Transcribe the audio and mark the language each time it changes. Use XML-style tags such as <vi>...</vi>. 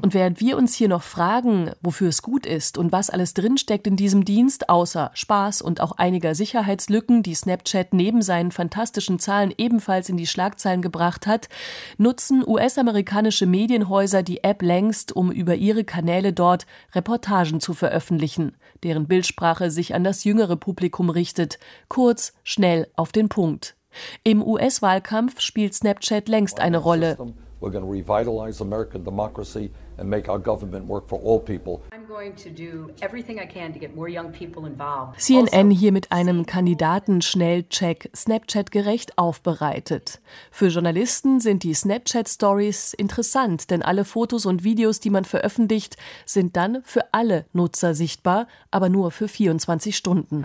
<de>Und während wir uns hier noch fragen, wofür es gut ist und was alles drinsteckt in diesem Dienst, außer Spaß und auch einiger Sicherheitslücken, die Snapchat neben seinen fantastischen Zahlen ebenfalls in die Schlagzeilen gebracht hat, nutzen US-amerikanische Medienhäuser die App längst, um über ihre Kanäle dort Reportagen zu veröffentlichen, deren Bildsprache sich an das jüngere Publikum richtet. Kurz, schnell, auf den Punkt. Im US-Wahlkampf spielt Snapchat längst eine Rolle.</de> <en>We're going to revitalize American democracy and make our government work for all people.</en> <de>CNN hier mit einem Kandidaten-Schnellcheck Snapchat-gerecht aufbereitet. Für Journalisten sind die Snapchat-Stories interessant, denn alle Fotos und Videos, die man veröffentlicht, sind dann für alle Nutzer sichtbar, aber nur für 24 Stunden.</de>